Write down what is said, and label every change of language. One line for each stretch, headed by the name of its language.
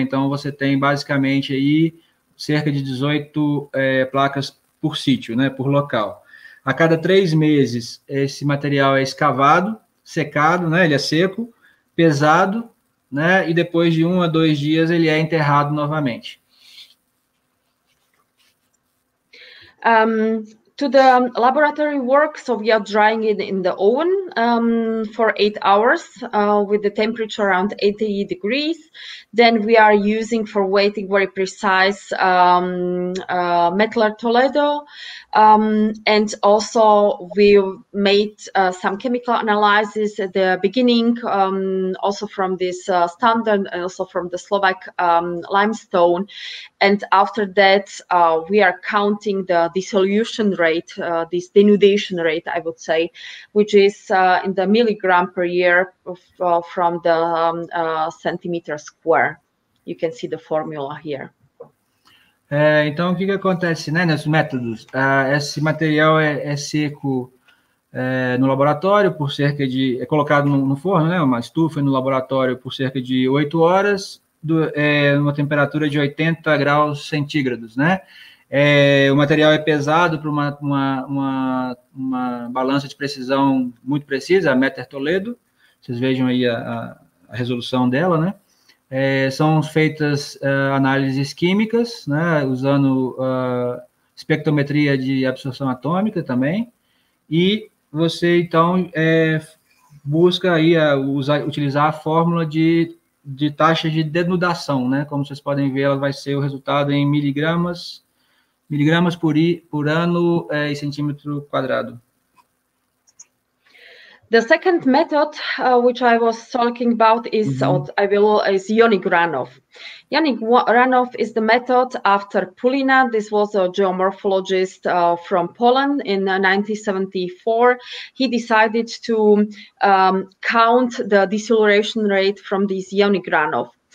Portuguese: Então, você tem basicamente aí cerca de 18 placas por sítio, né, por local. A cada 3 meses, esse material é escavado, secado, né, ele é seco, pesado, né, e depois de 1 a 2 dias ele é enterrado novamente.
English: To the laboratory work, so we are drying it in the oven for 8 hours with the temperature around 80 degrees. Then we are using for weighting very precise metallar Toledo. And also we made some chemical analysis at the beginning, also from this standard and also from the Slovak limestone. And after that, we are counting the dissolution rate, this denudation rate, I would say, which is in the milligram per year from the centimeter square. You can see the formula here.
Portuguese: Então, o que, que acontece, né, nesses métodos? Esse material é seco no laboratório por cerca de... É colocado no forno, né, uma estufa no laboratório por cerca de 8 horas, numa temperatura de 80 graus centígrados, né? O material é pesado para uma balança de precisão muito precisa, a Meter Toledo. Vocês vejam aí a resolução dela, né? São feitas análises químicas, né? Usando espectrometria de absorção atômica também. E você, então, busca aí utilizar a fórmula de taxa de denudação, né? Como vocês podem ver, ela vai ser o resultado em miligramas por ano e centímetro quadrado.
English: The second method which I was talking about is is ionic runoff. Ionic runoff is the method after Pulina. This was a geomorphologist from Poland in 1974. He decided to count the deceleration rate from this ionic runoff.